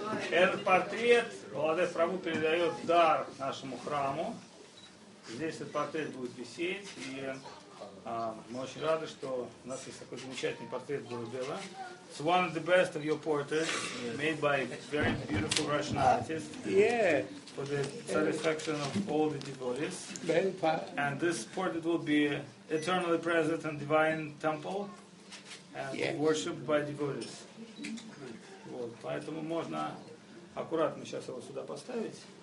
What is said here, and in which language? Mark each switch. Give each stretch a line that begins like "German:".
Russian: Этот портрет Баладев Прабху передает дар нашему храму. Здесь этот портрет будет висеть. И мы очень рады, что у нас есть такой замечательный портрет Гурудева.
English: It's one of the best of your portraits, made by a very beautiful Russian artist. Yeah. For the satisfaction of all the devotees. Very fine. And this portrait will be eternally present in divine temple and worshipped by devotees.
Russian: Вот. Поэтому можно аккуратно сейчас его сюда поставить.